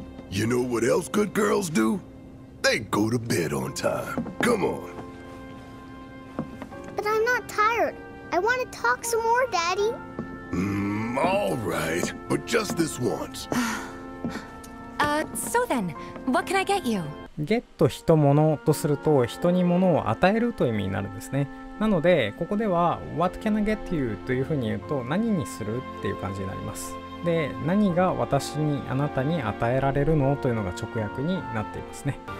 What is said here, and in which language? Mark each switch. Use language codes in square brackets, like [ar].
[en] You know what else good girls do? They go to bed on time. Come on. But I'm not tired. I want to talk some more, Daddy. All right, but just this once. So then, what can I get you? [ja] Get 人物とすると、人に物を与えるという意味になるんですね。なので、ここでは [en] What can I get you? [ja] というふうに言うと、何にするっていう感じになります。で、何が私に、あなたに与えられるのというのが直訳になっていますね。